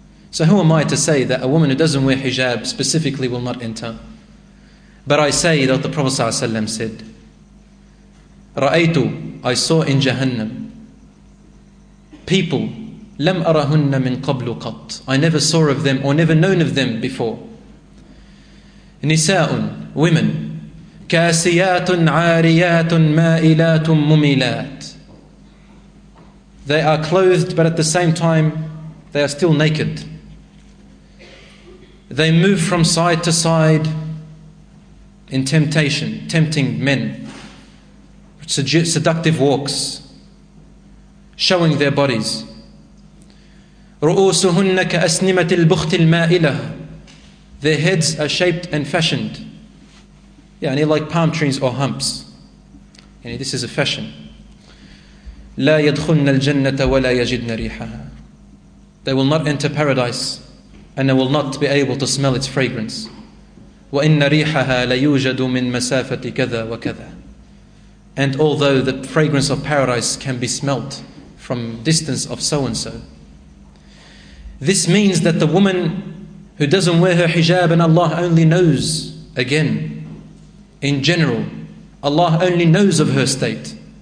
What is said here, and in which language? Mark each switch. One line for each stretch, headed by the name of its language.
English: So who am I to say that a woman who doesn't wear hijab specifically will not enter? But I say that the Prophet ﷺ said,
Arabic: رَأَيْتُ,
English: I saw in Jahannam people,
Arabic: لَمْ أَرَهُنَّ مِنْ قَبْلُ قَطْ,
English: I never saw of them or never known of them before.
Arabic: نِسَاءٌ,
English: women,
Arabic: كاسيات عاريات مائلات مميلات.
English: They are clothed, but at the same time, they are still naked. They move from side to side in temptation, tempting men. Seductive walks, showing their bodies.
Arabic: رؤوسهن كأسنمة البخت المائلة.
English: Their heads are shaped and fashioned. Yeah, and they're like palm trees or humps. Yeah, this is a fashion.
Arabic: لا يدخلن الجنة ولا يجدن ريحها.
English: They will not enter paradise and they will not be able to smell its fragrance.
Arabic: وإن ريحها ليوجد من مسافة كذا وكذا.
English: And although the fragrance of paradise can be smelt from distance of so and so. This means that the woman who doesn't wear her hijab and Allah only knows, again, in general, Allah only knows of her state.